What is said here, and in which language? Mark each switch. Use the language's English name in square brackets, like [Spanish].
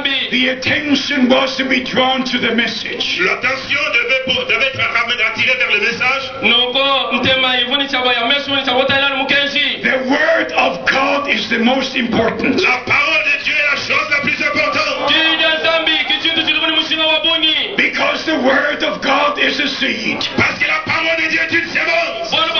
[English] The attention was to be drawn to the message. [French] L'attention devait être attirée vers le message. [English] The word of God is the most important. [French] La parole de Dieu est la chose la plus importante. [English] Because the word of God is a seed. [French] Parce que la parole de Dieu est une semence.